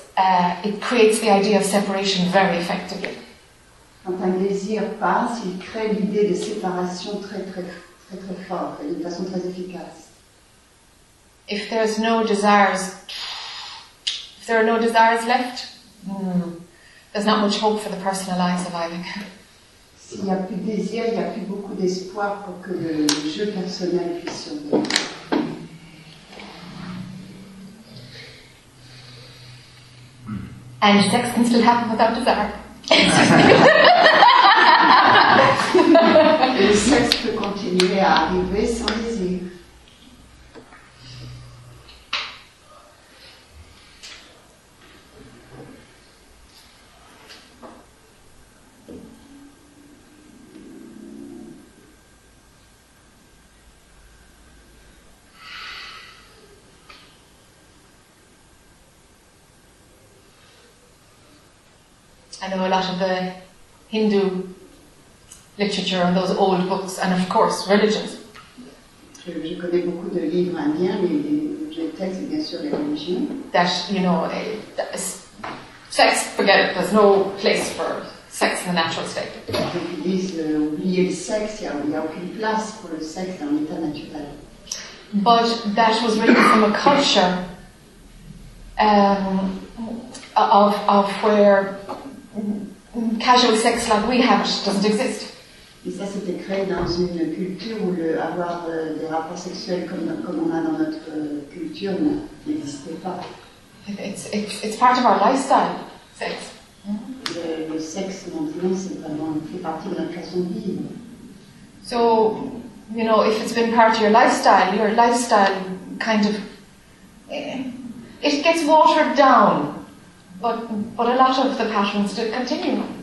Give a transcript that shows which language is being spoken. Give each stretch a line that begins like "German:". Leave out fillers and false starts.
English: It creates the idea of separation very effectively.
French: Quand un désir passe, il crée l'idée de séparation très très très très fort, d'une façon très efficace.
English: If there's no desires, if there are no desires left, there's not much hope for the person alive surviving.
French: S'il n'y a plus de désir, il n'y a plus beaucoup d'espoir pour que le je personnel puisse survivre.
English: And sex can still happen without desire.
French: Le sexe peut continuer à arriver sans désir.
English: I know a lot of the Hindu literature and those old books, and of course, religions.
French: Je connais beaucoup de livres indiens, mais les textes, bien sûr, les religions.
English: That, you know, sex, forget it, there's no place for sex in the natural state.
French: Donc ils disent, oublier le sexe, il n'y a aucune place pour le sexe dans l'état naturel.
English: But that was written from a culture of where casual sex like we have doesn't exist.
French: Et ça s'était créé dans une culture où le avoir des rapports sexuels comme on a dans notre culture n'existait pas.
English: It's part of our lifestyle, sex.
French: Le sexe maintenant c'est vraiment fait partie de notre façon de vivre.
English: So, you know, if it's been part of your lifestyle kind of it gets watered down. But a lot of the patterns still continue.